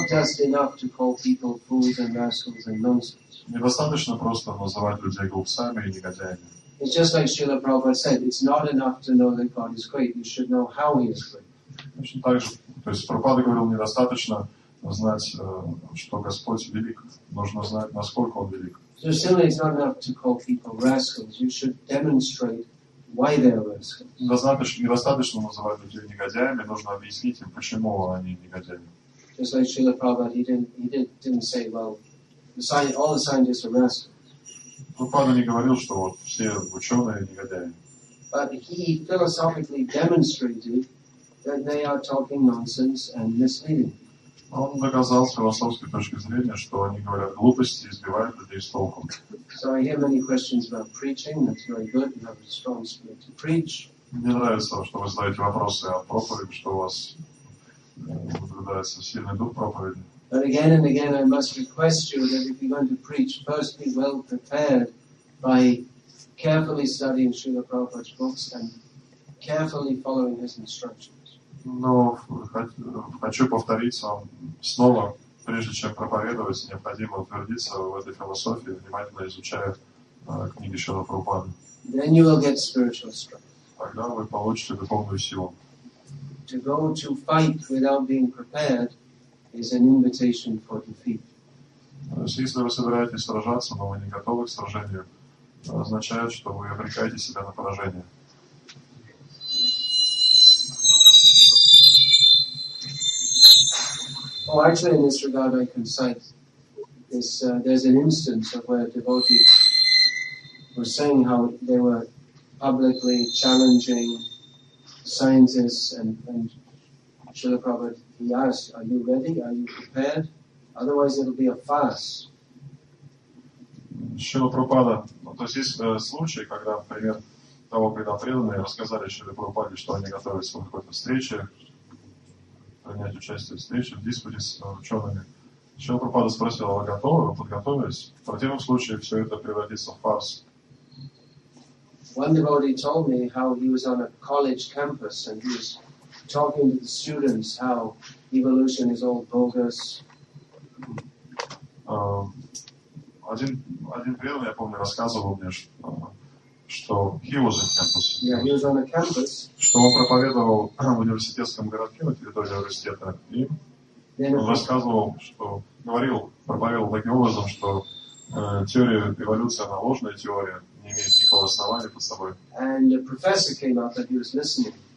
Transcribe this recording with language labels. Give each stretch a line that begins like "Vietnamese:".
Russian: поносите и оскорбляете кого-то. Недостаточно просто называть людей глупцами и негодяями.
English: It's just like Srila Prabhupada said, it's not enough to know that God is great, you should know how he is great.
Russian: То есть Прабхупада говорил, недостаточно знать, что Господь велик, нужно знать, насколько он велик.
English: So similarly, it's not enough to call people rascals, you should demonstrate why they are rascals.
Russian: Недостаточно называть людей негодяями, нужно объяснить им, почему они негодяи.
English: Just like Srila Prabhupada, he didn't say, well, all the scientists are rascals.
Russian: Prabhupada не говорил, что вот все ученые негодяи.
English: But he philosophically demonstrated that they are talking nonsense and misleading.
Russian: Он доказал с философской точки зрения, что они говорят глупости и сбивают людей с толком.
English: So I hear many questions about preaching. That's very good. You have a strong spirit to preach.
Russian: Мне нравится, что вы задаете вопросы о проповеди, что у вас наблюдается сильный дух проповеди.
English: But again and again, I must request you that if you're going to preach, first be well prepared by carefully studying Srila Prabhupada's books and carefully following his instructions.
Russian: Но хочу повторить вам снова, прежде чем проповедовать, необходимо утвердиться в этой философии, внимательно изучая книги Шрилы Прабхупады.
English: Then you will get spiritual strength.
Russian: Тогда вы получите духовную силу.
English: To go to fight without being prepared is an invitation for defeat.
Russian: То есть, если вы собираетесь сражаться, но вы не готовы к сражению, означает, что вы обрекаете себя на поражение.
English: Oh, actually, in this regard, I can cite this. There's an instance of where a devotee was saying how they were publicly challenging scientists, and Srila Prabhupada, he asked, are you ready? Are you prepared? Otherwise, it'll be a farce.
Russian: Шрила Прабхупада, ну, то есть есть случай, когда, например, того, когда преданные рассказали Шрила Прабхупаде, что они готовятся к какой-то встрече, принять участие в встрече, в диспуте с учеными. Шрила Прабхупада спросил, а вы готовы, вы подготовились? В противном случае все это превратится в фарс.
English: One devotee told me how he was on a college campus and he was talking to the students how evolution is all bogus.
Russian: Один преданный, я помню, рассказывал мне, что
English: he was on campus. Yeah, he was on a campus.
Russian: Что он проповедовал в университетском городке на территории университета. И он рассказывал, что проповедовал таким образом, что теория эволюции, она ложная теория, не имеет никакого основания под собой.
English: And a professor came out that he was listening.